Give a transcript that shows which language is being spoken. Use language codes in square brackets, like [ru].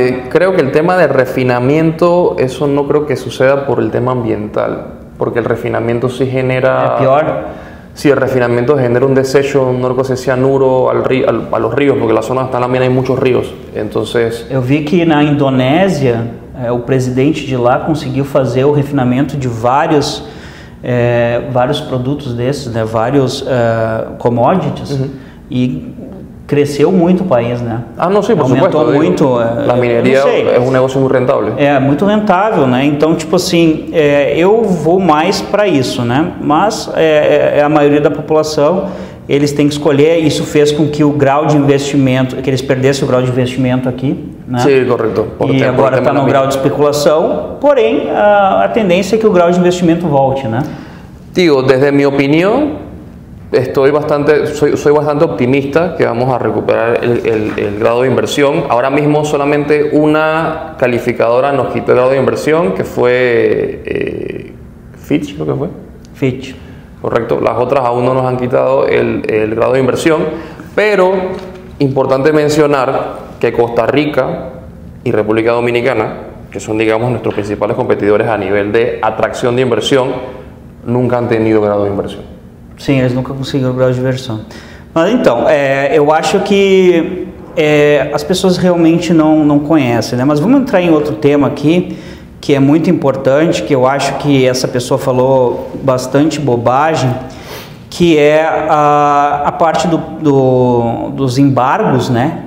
[es] Creo que el tema de refinamiento, eso no creo que suceda por el tema ambiental, porque el refinamiento sí genera... ¿Es peor? Sí, el refinamiento genera un desecho, no creo que sea cianuro a los ríos, porque en la zona hasta también hay muchos ríos, entonces... Yo vi que en Indonesia, el presidente de [pt] lá conseguiu fazer o refinamento de vários... vários produtos desses, né? Vários commodities, uhum. E cresceu muito o país, né? Ah, não sei, por aumentou [es] supuesto. [pt] Muito. A mineria é um negócio muito rentável. É muito rentável, né? Então, tipo assim, eu vou mais para isso, né? Mas é a maioria da população, eles têm que escolher. Isso fez com que o grau de investimento, que eles perdessem o grau de investimento aqui, né? Sim, correto. E agora está no grau de especulação. Porém, a tendência é que o grau de investimento volte, né? [es] Digo, desde [pt] minha opinião, [es] estoy bastante, soy bastante optimista que vamos a recuperar el grado de inversión. Ahora mismo solamente una calificadora nos quitó el grado de inversión, que fue Fitch, creo que fue. Fitch. Correcto, las otras aún no nos han quitado el grado de inversión. Pero, importante mencionar que Costa Rica y República Dominicana, que son, digamos, nuestros principales competidores a nivel de atracción de inversión, nunca han tenido grado de inversión. [pt] Sim, eles nunca conseguiram o grau de diversão. Mas então, eu acho que as pessoas realmente não conhecem, né? Mas vamos entrar em outro tema aqui, que é muito importante, que eu acho que essa pessoa falou bastante bobagem, que é a parte dos embargos, né?